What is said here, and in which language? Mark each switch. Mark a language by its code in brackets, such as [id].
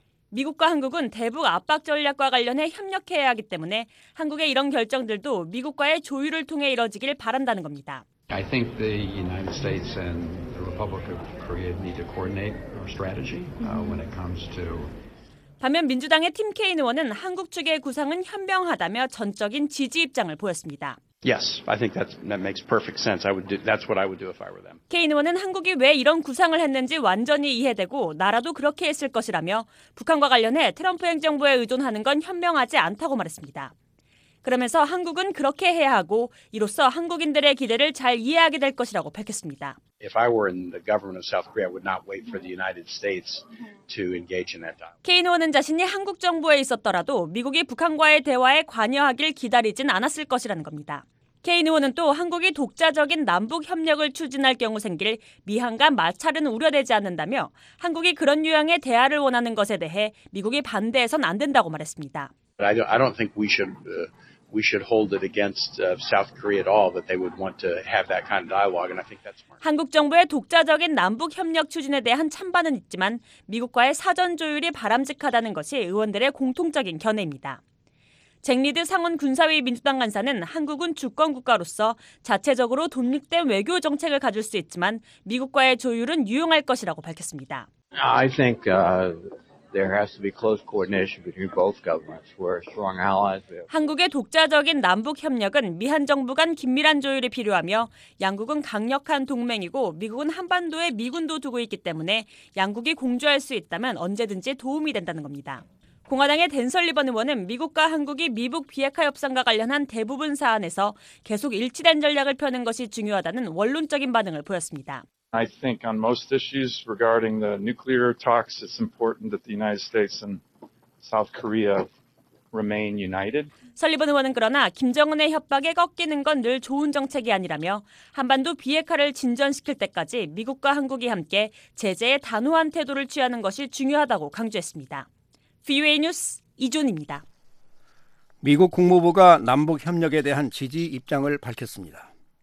[ko] 미국과 한국은 대북 압박 전략과 관련해 협력해야 하기 때문에 한국의 이런 결정들도 미국과의 조율을 통해 이뤄지길 바란다는 겁니다. [en] I think the United States and the Republic of Korea need to coordinate our strategy when it comes to [ko] 반면 민주당의 팀 케인 의원은 한국 측의 구상은 현명하다며 전적인 지지 입장을 보였습니다. [en] Yes, I think that makes perfect sense. That's what I would do if I were them. [ko] 케인 의원은 한국이 왜 이런 구상을 했는지 완전히 이해되고 나라도 그렇게 했을 것이라며 북한과 관련해 트럼프 행정부에 의존하는 건 현명하지 않다고 말했습니다. 그러면서 한국은 그렇게 해야 하고 이로써 한국인들의 기대를 잘 이해하게 될 것이라고 밝혔습니다. [en] If I were in the government of South Korea, I would not wait for the United States to engage in that dialogue. [ko] 케인 의원은 자신이 한국 정부에 있었더라도 미국이 북한과의 대화에 관여하길 기다리진 않았을 것이라는 겁니다. 케인 의원은 또 한국이 독자적인 남북 협력을 추진할 경우 생길 미한 간 마찰은 우려되지 않는다며 한국이 그런 유형의 대화를 원하는 것에 대해 미국이 반대해선 안 된다고 말했습니다. [en] I don't think we should hold it against South Korea at all that they would want to have that kind of dialogue and I think that's smart. [ko] 한국 정부의 독자적인 남북 협력 추진에 대한 찬반은 있지만 미국과의 사전 조율이 바람직하다는 것이 의원들의 공통적인 견해입니다. 잭 리드 상원 군사위 민주당 간사는 한국은 주권 국가로서 자체적으로 독립된 외교 정책을 가질 수 있지만 미국과의 조율은 유용할 것이라고 밝혔습니다. [en] I think there has to be close coordination between both governments. We're strong allies. [ko] 한국의 독자적인 남북 협력은 미한 정부 간 긴밀한 조율이 필요하며 양국은 강력한 동맹이고 미국은 한반도에 미군도 두고 있기 때문에 양국이 공조할 수 있다면 언제든지 도움이 된다는 겁니다. 공화당의 댄 설리번 의원은 미국과 한국이 미북 비핵화 협상과 관련한 대부분 사안에서 계속 일치된 전략을 펴는 것이 중요하다는 원론적인 반응을 보였습니다. [en] I think on most issues regarding the nuclear talks, it's important that the United States and South Korea remain united. [ko] 설리번 의원은 그러나 김정은의 협박에 꺾이는 건 늘 좋은 정책이 아니라며 한반도 비핵화를 진전시킬 때까지 미국과 한국이 함께 제재에 단호한 태도를 취하는 것이 중요하다고 강조했습니다. VOA 뉴스 이준입니다. 미국 국무부가 남북협력에 대한 지지 입장을 밝혔습니다.